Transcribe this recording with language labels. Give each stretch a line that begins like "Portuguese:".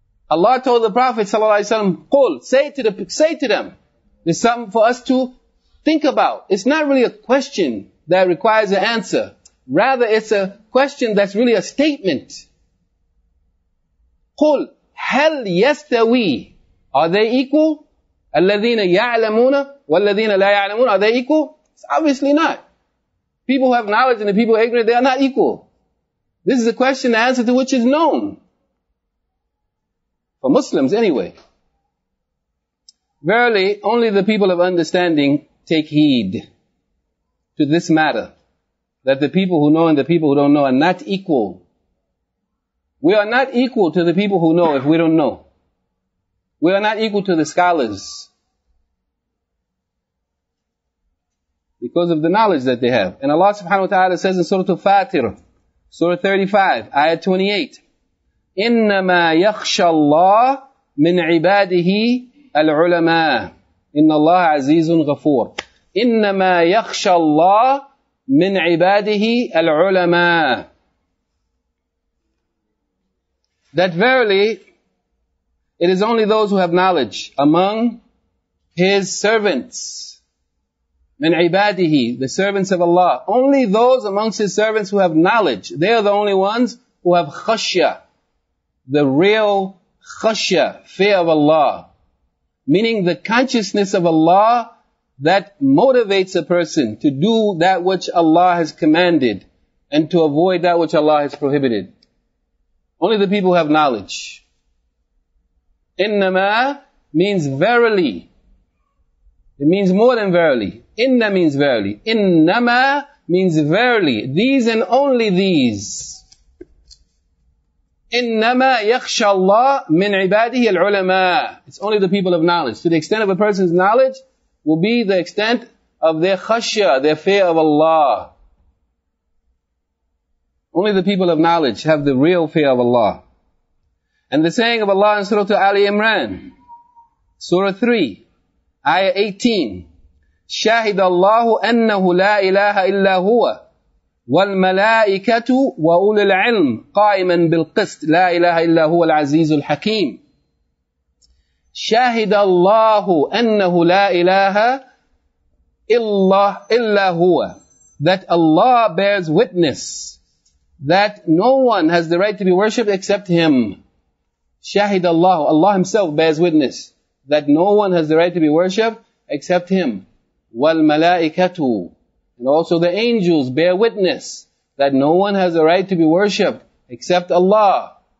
English: Allah told the Prophet ﷺ, قُلْ Say to them. There's something for us to think about. It's not really a question that requires an answer. Rather, it's a question that's really a statement.
Arabic: قُلْ هَلْ يَسْتَوِي
English: Are they equal?
Arabic: الَّذِينَ يَعْلَمُونَ وَالَّذِينَ لَا يَعْلَمُونَ
English: Are they equal? It's obviously not. People who have knowledge and the people who are ignorant, they are not equal. This is a question, the answer to which is known. For Muslims anyway. Verily, only the people of understanding take heed to this matter. That the people who know and the people who don't know are not equal. We are not equal to the people who know if we don't know. We are not equal to the scholars. Because of the knowledge that they have. And Allah subhanahu wa ta'ala says in Surah Al-Fatir, Surah 35, ayah 28.
Arabic: إِنَّمَا يَخْشَى اللَّهِ مِنْ عِبَادِهِ الْعُلَمَاءِ إِنَّ اللَّهَ عَزِيزٌ غَفُورٌ إِنَّمَا يَخْشَى اللَّهِ مِنْ عِبَادِهِ الْعُلَمَاءِ
English: That verily, it is only those who have knowledge among His servants.
Arabic: مِنْ عِبَادِهِ
English: The servants of Allah. Only those amongst His servants who have knowledge. They are the only ones who have khashya. The real khashya, fear of Allah. Meaning the consciousness of Allah that motivates a person to do that which Allah has commanded and to avoid that which Allah has prohibited? Only the people who have knowledge. Innama means verily. It means more than verily. Inna means verily. Innama means verily. These and only these.
Arabic: Innama yakhsha Allah min ibadihi al-ulama.
English: It's only the people of knowledge. To the extent of a person's knowledge will be the extent of their khashya, their fear of Allah. Only the people of knowledge have the real fear of Allah. And the saying of Allah in Surah Ali Imran, Surah 3, Ayah 18,
Arabic: شَهِدَ اللَّهُ أَنَّهُ لَا إِلَهَ إِلَّا هُوَ وَالْمَلَائِكَةُ وَأُولِ الْعِلْمِ قَائِمًا بِالْقِسْطِ لَا إِلَهَ إِلَّا هُوَ الْعَزِيزُ الْحَكِيمُ شَهِدَ اللَّهُ أَنَّهُ لَا إِلَهَ إِلَّا هُوَ.
English: That Allah bears witness that no one has the right to be worshipped except Him.
Arabic: شَهِدَ اللَّهُ.
English: Allah Himself bears witness that no one has the right to be worshipped except Him.
Arabic: وَالْمَلَائِكَةُ.
English: And also the angels bear witness that no one has the right to be worshipped except Allah.